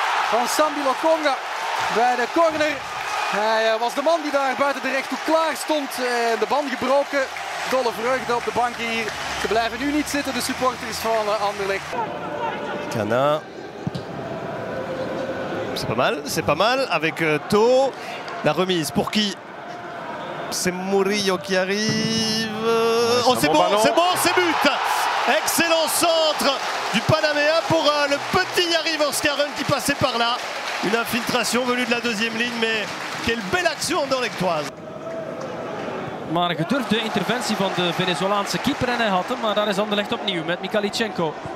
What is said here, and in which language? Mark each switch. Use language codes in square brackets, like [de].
[nl] Van Sambi Lokonga bij de corner. Hij was de man die daar buiten de rechthoek klaar stond. En de band gebroken. Dolle vreugde op de bank hier. Ze blijven nu niet zitten, de supporters van Anderlecht. Cana. [fr] C'est pas mal, c'est pas mal. Avec Tau. La remise, pour qui? C'est Murillo qui arrive. Oh, c'est bon, c'est bon, c'est but! Excellent centre du Panaméen pour le petit Yari Vanskaren qui passait par là. Une infiltration venue de la deuxième ligne, mais quelle belle action anderlechtoise. [nl] Maar een gedurfde interventie van de Venezolaanse keeper en hij had hem, maar daar is Anderlecht opnieuw met Mikhailichenko.